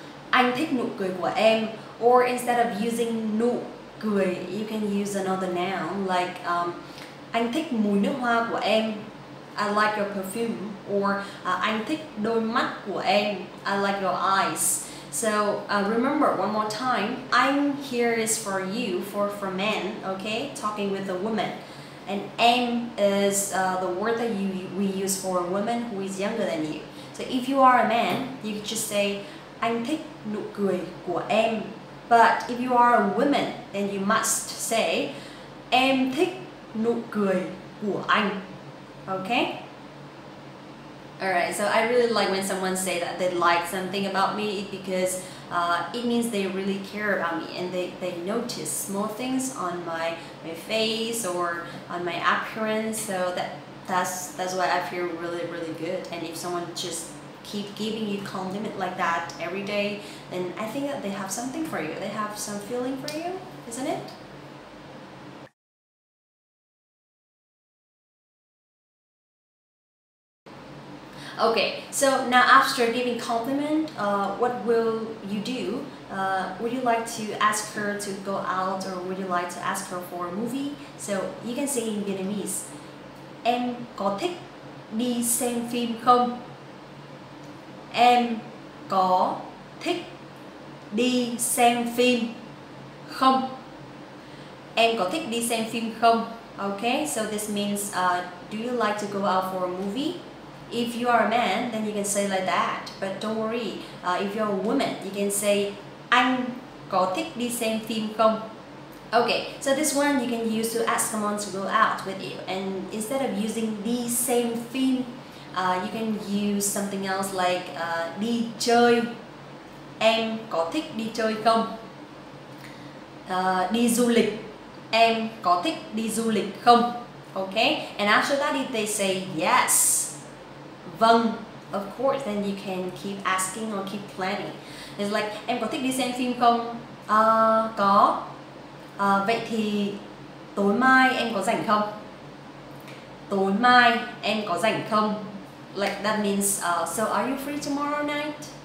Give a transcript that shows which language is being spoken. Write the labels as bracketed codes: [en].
[vi] Anh thích nụ cười của em. [en] Or instead of using [vi] nụ cười, [en] you can use another noun like [vi] anh thích mùi nước hoa của em, [en] I like your perfume, [vi] or anh thích đôi mắt của em, [en] I like your eyes. So remember one more time, I'm here is for you, for men, okay, talking with a woman. And em is the word that we use for a woman who is younger than you. So if you are a man, you can just say [vi] anh thích nụ cười của em. [en] But if you are a woman, then you must say [vi] em thích nụ cười của anh. [en] Okay? Alright, so I really like when someone say that they like something about me because it means they really care about me and they notice small things on my face or on my appearance. So that's why I feel really, really good. And if someone just keep giving you compliment like that every day, then I think that they have something for you. They have some feeling for you, isn't it? Okay, so now after giving compliment, what will you do? Would you like to ask her to go out or would you like to ask her for a movie? So you can say in Vietnamese, [vi] em có thích đi xem phim không? Em có thích đi xem phim không? Em có thích đi xem phim không? [en] Okay, so this means, do you like to go out for a movie? If you are a man, then you can say like that. But don't worry, if you're a woman, you can say [vi] anh có thích đi xem phim không? [en] Okay, so this one you can use to ask someone to go out with you. And instead of using [vi] đi xem phim, [en] you can use something else like [vi] đi chơi. Em có thích đi chơi không? Đi du lịch. Em có thích đi du lịch không? [en] Okay, and after that if they say yes, [vi] vâng, [en] of course, then you can keep asking or keep planning. It's like, [vi] em có thích đi xem phim không? Có. Vậy thì tối mai em có rảnh không? Tối mai em có rảnh không? [en] Like, that means, so are you free tomorrow night?